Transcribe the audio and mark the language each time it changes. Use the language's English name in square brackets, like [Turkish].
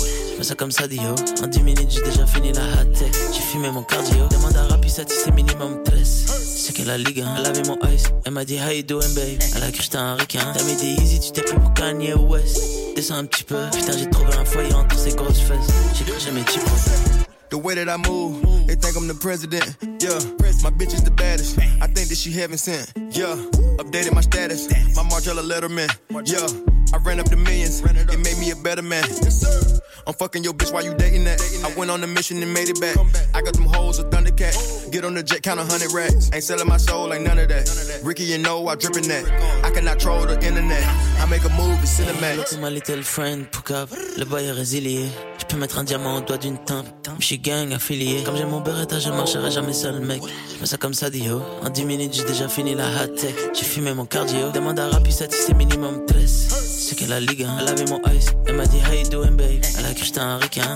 [French] J'fais ça comme ça, Dio. En 10 minutes, j'ai déjà fini la hot tech. J'ai fumé mon cardio. Demande à rapisette, c'est minimum 13. C'est que la ligue, hein. Elle avait mon ice. Elle m'a dit, [English] how you doing, babe? [French] Elle a cru que j'étais un requin. T'as mis des easy, tu t'es pris pour Kanye West. Descends un petit peu. Putain, j'ai trouvé un foyer entre ces grosses fesses. J'ai cru jamais tu peux. [English] The way that I move, they think I'm the president. Yeah, my bitch is the baddest. I think that she heaven sent. Yeah, updated my status. My Margiela Letterman. Yeah. I ran up the millions. It made me a better man. Yes, sir. I'm fucking your bitch while you dating that. I went on a mission and made it back. I got them hoes of Thundercat. Get on the jet, count 100 racks. Ain't selling my soul, ain't none of that. Ricky, you know I dripping that. I cannot troll the internet. I make a movie, cinematic. Hey, to my little friend, Poucav. [French] Le boy est résilié. Je peux mettre un diamant au doigt d'une tempe. Je suis gang affilié. Comme j'ai mon beretta, je marcherai jamais seul, mec. Mais ça comme ça, Dio. En 10 minutes, j'ai déjà fini la hot tech. J'ai fumé mon cardio. Demande à Rapisset si c'est minimum 13. C'est que la ligue, hein. Elle avait mon ice. Elle m'a dit, [English] how you doing, babe? [French] Elle a cru que j'étais un requin.